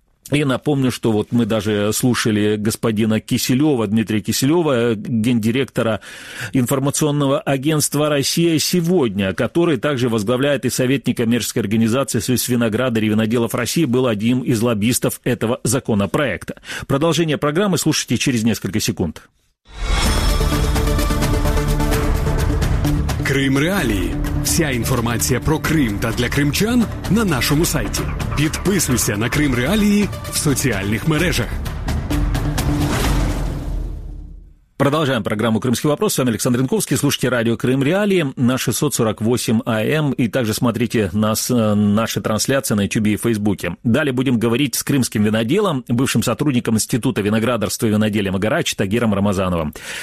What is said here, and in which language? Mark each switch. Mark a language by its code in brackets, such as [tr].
[ru] И напомню, что вот мы даже слушали господина Киселева, Дмитрия Киселева, гендиректора информационного агентства «Россия сегодня», который также возглавляет и совет некоммерческой организации «Союз виноградарей и виноделов России», был одним из лоббистов этого законопроекта. Продолжение программы слушайте через несколько секунд. [uk] Крым реалії. Вся інформація про Крим та для кримчан на нашому сайті. Підписуйся на Крим реалії в соціальних мережах. [ru] Продолжаем программу «Крымский вопрос». С вами Александр Янковский. Слушайте радио «Крым Реалии» на 648 АМ. И также смотрите нас, наши трансляции на YouTube и Фейсбуке. Далее будем говорить с крымским виноделом, бывшим сотрудником Института виноградарства и виноделия Магарач Тагиром Рамазановым.